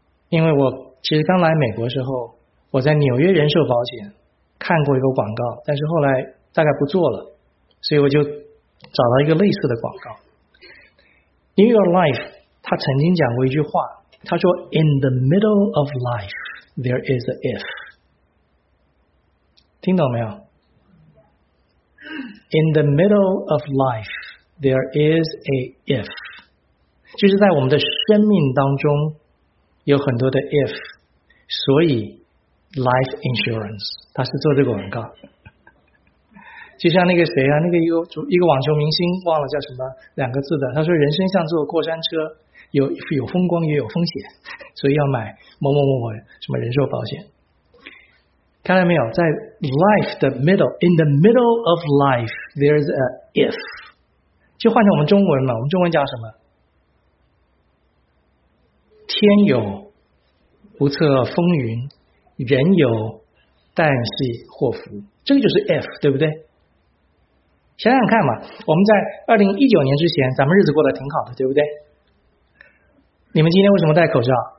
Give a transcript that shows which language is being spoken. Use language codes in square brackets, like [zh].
[zh] 因为我其实刚来美国的时候，我在纽约人寿保险看过一个广告，但是后来大概不做了，所以我就找到一个类似的广告。 [en] In your life, [zh] 他曾经讲过一句话，他说 [en] In the middle of life, there is an if. [zh] 听懂没有？ [en] In the middle of life, there is an if. [zh] 就是在我们的生命当中有很多的 if, 所以 life insurance, 他是做这个广告。就像那个谁啊，那个一个网球明星，忘了叫什么两个字的，他说人生像坐过山车，有风光也有风险，所以要买某某某某什么人寿保险。看到没有，在 [en] life [zh] 的 [en] middle, in the middle of life, there's a if. [zh] 就换成我们中文嘛，我们中文叫什么，天有不测风云，人有旦夕祸福，这个就是 if, 对不对？想想看嘛，我们在2019年之前咱们日子过得挺好的，对不对？你们今天为什么戴口罩？